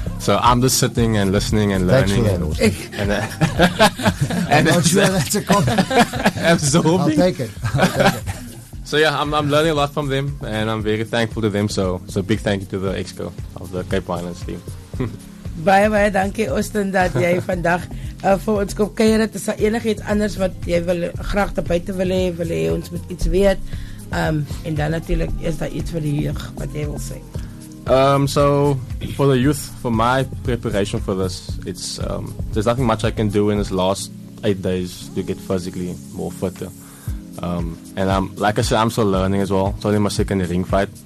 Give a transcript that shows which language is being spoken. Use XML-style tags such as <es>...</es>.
<en>So I'm just sitting and listening and learning. That's a compliment. Absolutely. I'll take it. So yeah, I'm learning a lot from them, and I'm very thankful to them. So big thank you to the exco of the Cape Winans team.</en> <af>Baie dankie, Austin, dat jy vandag vir ons kom kuier. Is daar enigiets anders wat jy wil graag te buite wil hê ons moet iets weet? En dan natuurlijk, is daar iets vir die jeug wat jy wil sê?</af> <en>So, for the youth, for my preparation for this, it's there's nothing much I can do in this last 8 days to get physically more fitter. And I'm, like I said, I'm still learning as well. It's only my second ring fight.</en>